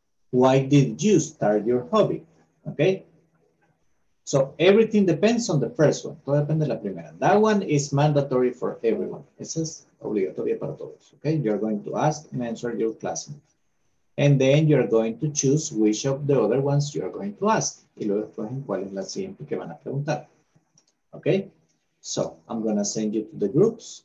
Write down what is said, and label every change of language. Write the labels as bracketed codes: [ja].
[en] Why did you start your hobby? Okay? So everything depends on the first one. [es] Todo depende de la primera. [en] That one is mandatory for everyone. [es] Esa es obligatoria para todos. [en] Okay? You're going to ask and answer your classmate. And then you're going to choose which of the other ones you're going to ask. [es] Y luego escogen cuál es la siguiente que van a preguntar. [en] Okay? So I'm going to send you to the groups.